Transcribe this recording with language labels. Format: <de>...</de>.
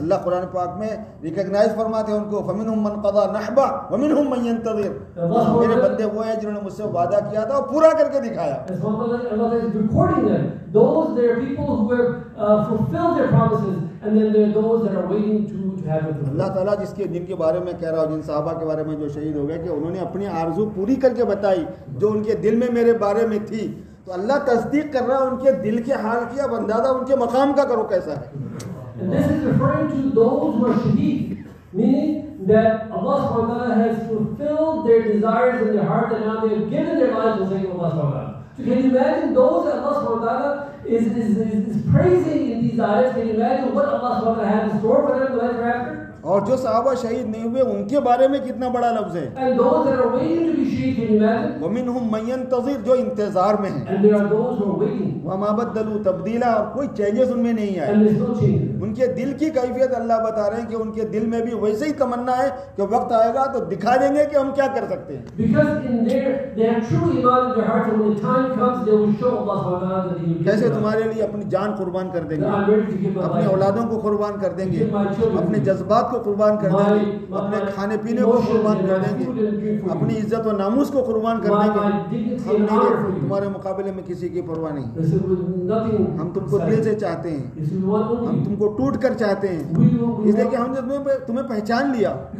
<hi>अल्लाह कुरान पाक में रिकॉग्नाइज फरमाते हैं उनको</hi> <ar>فمنهم من قضى نحبه ومنهم من ينتظر</ar> <hi>मेरे बंदे वो हैं जिन्होंने मुझसे वादा किया था और पूरा करके दिखाया</hi> <en>Allah is recording them those there are people who have fulfilled their promises and then there are those that are waiting to have it</en> <hi>Allah ताला जिसके दिन के बारे में कह रहा हूं जिन सहाबा के बारे में जो शहीद हो गए कि उन्होंने अपनी आरजू पूरी करके बताई जो उनके दिल में मेरे बारे में थी तो अल्लाह तस्दीक कर रहा है उनके दिल के हाल की अब अंदाजा उनके मकाम का करो कैसा है</hi> <en>and this is referring to those who are shaheed meaning that Allah Subhanahu wa ta'ala has fulfilled their desires in their heart and now they have given their lives to the sake of Allah Subhanahu wa ta'ala So can you imagine those that Allah Subhanahu wa ta'ala is praising in these ayahs? Can you imagine what Allah Subhanahu wa ta'ala has in store for them the life after?</en> <hi>और जो सहाबा शहीद नहीं हुए उनके बारे में कितना बड़ा लफ्ज है</hi> <en>and those that are waiting to be shaheed in battle</en> <ar>ومنهم من ينتظر</ar> <hi>जो इंतजार में हैं</hi> <en>and there are those who are waiting</en> <ar>وما بدلوا تبديلا</ar> <hi>कोई चेंजेस उनमें नहीं आए</hi> <en>and there's no change</en> <hi>उनके दिल की कैफियत अल्लाह बता रहे हैं कि उनके दिल में भी वैसे ही तमन्ना है कि वक्त आएगा तो दिखा देंगे कि हम क्या कर सकते हैं</hi> <en>because in their they have true iman in their heart and when the time comes they will show Allah Subhanahu wa ta'ala that he will</en> <hi>कैसे तुम्हारे लिए अपनी जान कुर्बान कर देंगे अपने औलादों को कुर्बान कर देंगे अपने जज्बात को कुर्बान कर देंगे अपने खाने पीने को कुर्बान कर देंगे अपनी इज्जत और नामूस को कुर्बान कर देंगे हम नहीं तुम्हारे मुकाबले में किसी की परवाह नहीं हम तुमको दिल से चाहते हैं हम तुमको टूट कर चाहते हैं इसलिए कि हमने तुम्हें पहचान लिया</hi>